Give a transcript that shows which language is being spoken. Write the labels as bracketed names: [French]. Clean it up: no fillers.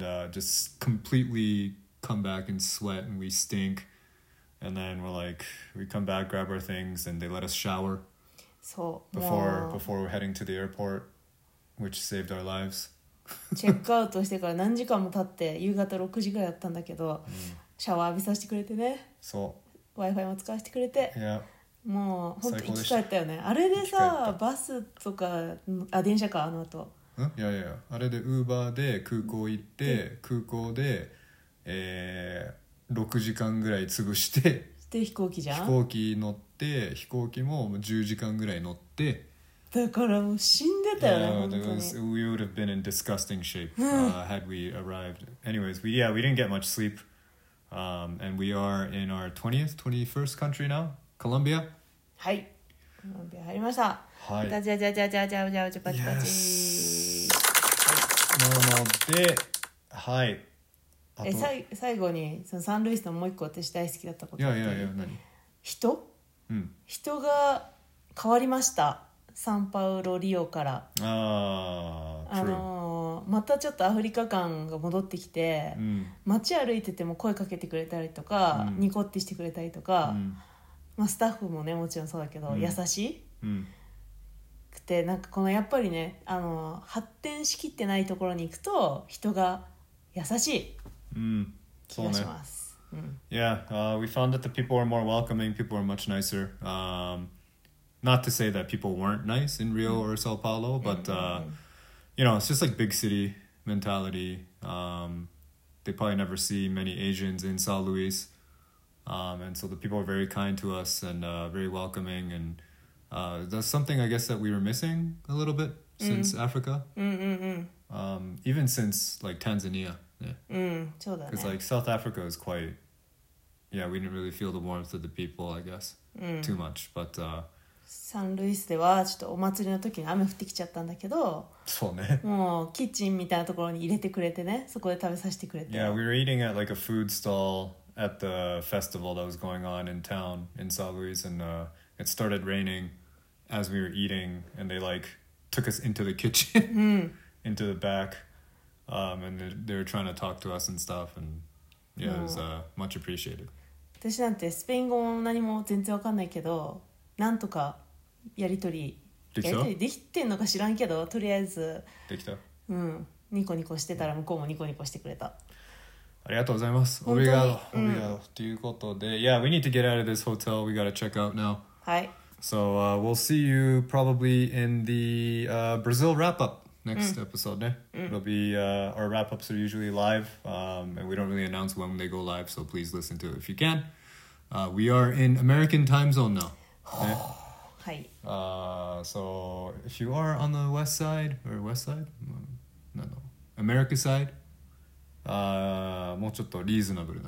[English] just completely come back and sweat and we stink, and then we're like, we come back, grab our things, and they let us shower before heading to the airport, which saved our lives. [Japanese] チェックアウトしてから何時間も経って夕方6時ぐらいだったんだけど、シャワー浴びさせてくれてね、そう、 Wi-Fi も使わせてくれて、 [English] yeah. [Japanese] もう本当に生き返ったよね。あれでさ、バスとか、あ、電車か、あの後いやあれでウーバーで空港行って、空港で、6時間ぐらい潰してで飛行機じゃん、飛行機乗って、飛行機も10時間ぐらい乗って、だからもう死んでたよね、本当に。 [English] We would have been in disgusting shape had we arrived. Anyways, we didn't get much sleep. And we are in our 20th, 21st country now, Colombia. [Japanese] はい、入りました。はい。じゃじゃじゃじゃじゃじゃじゃじゃパチパチ。なので、はい。最後にそのサンルイスのもう一個私大好きだったこと。いや何？人？うん。人が変わりました。サンパウロリオから。またちょっとアフリカ感が戻ってきて、街歩いてても声かけてくれたりとか、ニコってしてくれたりとか。まあ、スタッフもねもちろんそうだけど、優しくて、なんかこのやっぱりね、発展しきってないところに行くと人が優しい気がします。 [English] Yeah, we found that the people are more welcoming, people are much nicer. Not to say that people weren't nice in Rio or Sao Paulo, but you know, it's just like big city mentality. They probably never see many Asians in Sao Luís. And so the people are very kind to us and very welcoming, and that's something I guess that we were missing a little bit since Africa. Even since like Tanzania. Yeah. [Japanese] そうだね。 [English] Because like South Africa is quite, yeah, we didn't really feel the warmth of the people, I guess, too much. But [Japanese] サンルイスではちょっとお祭りの時に雨降ってきちゃったんだけど、そうね。もうキッチンみたいなところに入れてくれてね、そこで食べさせてくれて。 [English] Yeah, we were eating at like a food stallat the festival that was going on in town in São Luís, and it started raining as we were eating, and they like took us into the kitchen into the back, and they were trying to talk to us and stuff, and yeah, it was much appreciated. [Japanese] 私なんてスペイン語も何も全然わかんないけど、なんとかやり取りできてんのか知らんけど、とりあえずできた、ニコニコしてたら向こうもニコニコしてくれた。ありがとうございます。オビガード、オビガード。ということで、 [English] Yeah, we need to get out of this hotel. We gotta check out now. [Japanese] はい。 [English] So, we'll see you probably in the, Brazil wrap-up next episode, ね。 It'll be, our wrap-ups are usually live, and we don't really announce when they go live, so please listen to it if you can. We are in American time zone now. [Japanese] ね。はい。 [English] So, if you are on the west side, or west side? No, no. America side? [Japanese] もうちょっとリーズナブルな、